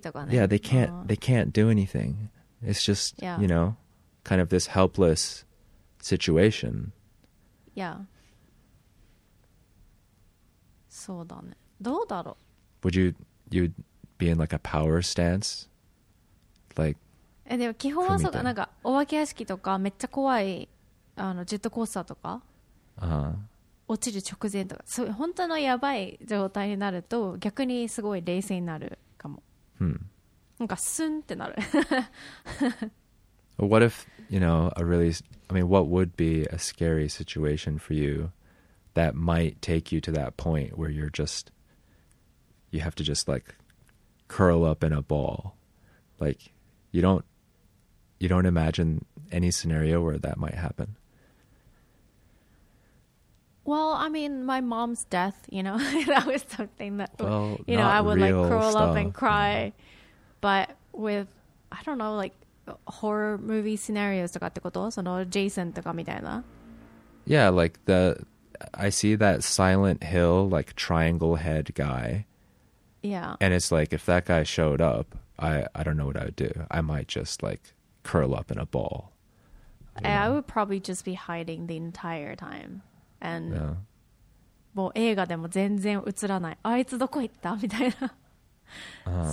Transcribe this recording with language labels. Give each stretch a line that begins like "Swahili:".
English: Yeah, they can't do anything. It's just you know, kind of this helpless situation. Yeah.
Japanese: そうだね。どうだろう?
English: Would you be in like a power stance? Like,
Japanese: え、でも基本はそうか、なんかお化け屋敷とかめっちゃ怖いあのジェットコースターとか、落ちる直前とか、そう本当のやばい状態になると逆にすごい冷静になるかも。 Hmm. なんかスンってなる。
English: What if, you know, a really, I mean, what would be a scary situation for you? That might take you to that point where you're just, you have to just like curl up in a ball. Like, you don't imagine any scenario where that might happen. Well, I mean, my mom's death, you know, that was something that, you know, I would like curl up and cry. But with, I don't know, like horror movie scenarios
Japanese: とかってこと? そのジェイソンとかみたいな?
English: Yeah, like the... I see that Silent Hill, like, triangle head guy. Yeah. And it's like, if that guy showed up, I don't know what I would do. I might just, like, curl up in a ball. I would probably just be hiding the entire time.
Japanese: And, もう映画でも全然映らない。あいつどこ行った?みたいな。